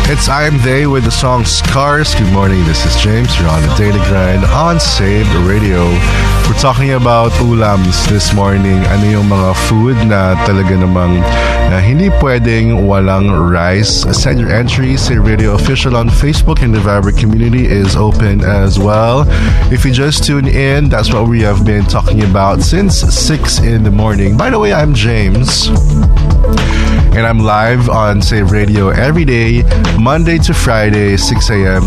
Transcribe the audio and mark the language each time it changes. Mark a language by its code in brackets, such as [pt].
[en] I'm They with the song Scars. Good morning, this is James. You're on the Daily Grind on Saved Radio. We're talking about ulams this morning. [tl] Ano yung mga food na talaga namang na hindi pwedeng walang rice? [en] Send your entries to Radio Official on Facebook, and the Viber community is open as well. If you just tuned in, that's what we have been talking about since 6 in the morning. By the way, I'm James, and I'm live on Save Radio every day, Monday to Friday, 6 a.m.